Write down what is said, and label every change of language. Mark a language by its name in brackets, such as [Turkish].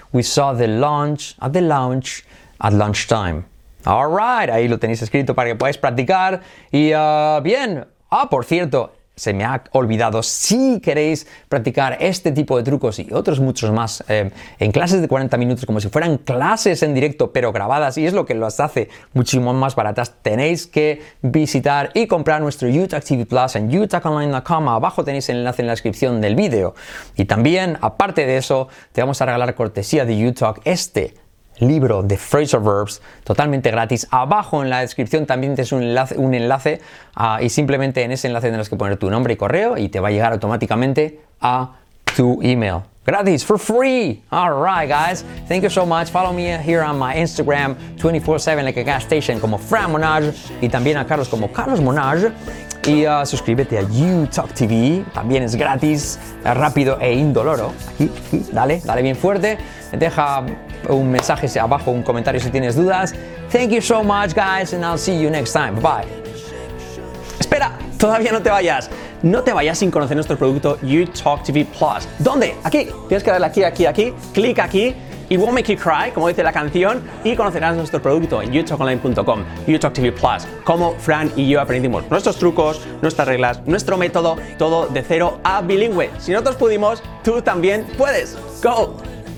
[English] We saw the launch at the lounge at lunchtime. All right, [Spanish] ahí lo tenéis escrito para que podáis practicar. Y bien. Ah, por cierto, se me ha olvidado. Si queréis practicar este tipo de trucos y otros muchos más en clases de 40 minutos, como si fueran clases en directo, pero grabadas, y es lo que las hace muchísimo más baratas, tenéis que visitar y comprar nuestro UTACTV Plus en utaconline.com. Abajo tenéis el enlace en la descripción del vídeo. Y también, aparte de eso, te vamos a regalar cortesía de UTalk este libro de Phrasal Verbs totalmente gratis. Abajo en la descripción también tienes un enlace y simplemente en ese enlace tendrás que poner tu nombre y correo y te va a llegar automáticamente a tu email. [English] Gratis, for free. All right, guys. Thank you so much. Follow me here on my Instagram 24/7 like a gas station [Spanish] como Fran Monage y también a Carlos como Carlos Monage. Y suscríbete a UTalk TV. También es gratis, rápido e indoloro. Aquí, dale, dale bien fuerte. Deja un mensaje abajo, un comentario si tienes dudas. [English] Thank you so much, guys, and I'll see you next time. [Spanish] Bye. Espera, todavía no te vayas. No te vayas sin conocer nuestro producto UTalk TV Plus. ¿Dónde? Aquí. Tienes que darle aquí, aquí, aquí. Clic aquí. [English] It won't make you cry, [Spanish] como dice la canción, y conocerás nuestro producto en youtalkonline.com, YouTalk TV Plus, como Fran y yo aprendimos nuestros trucos, nuestras reglas, nuestro método, todo de cero a bilingüe. Si nosotros pudimos, tú también puedes. ¡Go!